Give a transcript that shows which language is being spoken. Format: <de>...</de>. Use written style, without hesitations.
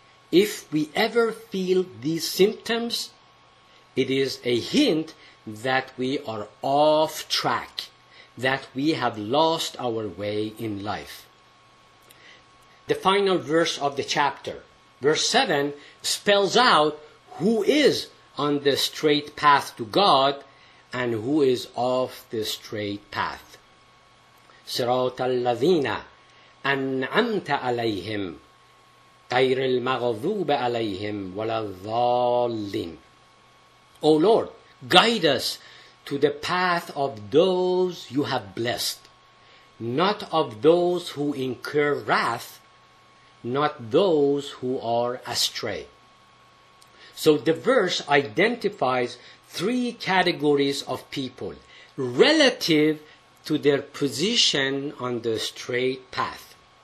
<en>If we ever feel these symptoms, it is a hint that we are off track, that we have lost our way in life. The final verse of the chapter, verse 7, spells out who is on the straight path to God and who is off the straight path.</en> <ar>صراط الذين أنعمت عليهم غير المغضوب عليهم ولا الضالين.</ar> <en>O Lord, guide us to the path of those You have blessed, not of those who incur wrath, not those who are astray. So the verse identifies three categories of people relative to their position on the straight path.</en>